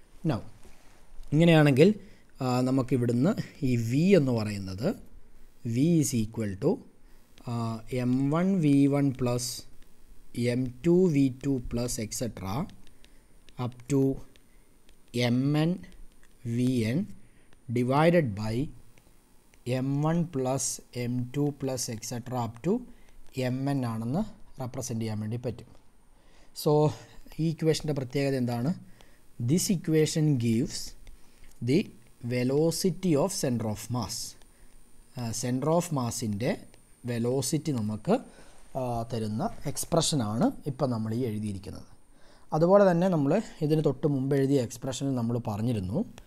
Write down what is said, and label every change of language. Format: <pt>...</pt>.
<ml>Now ഇങ്ങനെയാണെങ്കിൽ നമുക്കിവിടുന്ന് ഈ V എന്ന് പറയുന്നത്</ml> <en>V is equal to M one V one plus M two V two plus etcetera up to M N V N divided by M one plus M two plus etcetera up to M N</en> <ml>ആണെന്ന് represent ചെയ്യാൻ വേണ്ടി പറ്റും. So ഈ ഇക്വേഷൻ്റെ പ്രത്യേകത എന്താണ്?</ml> <en>This equation gives the velocity of center of mass.</en> <ml>Center of mass ൻ്റെ velocity നമുക്ക് തരുന്ന എക്സ്പ്രഷൻ ആണ് ഇപ്പം നമ്മൾ ഈ എഴുതിയിരിക്കുന്നത്. അതുപോലെ തന്നെ നമ്മൾ ഇതിന് തൊട്ട് മുമ്പ് എഴുതിയ എക്സ്പ്രഷനിൽ നമ്മൾ പറഞ്ഞിരുന്നു</ml>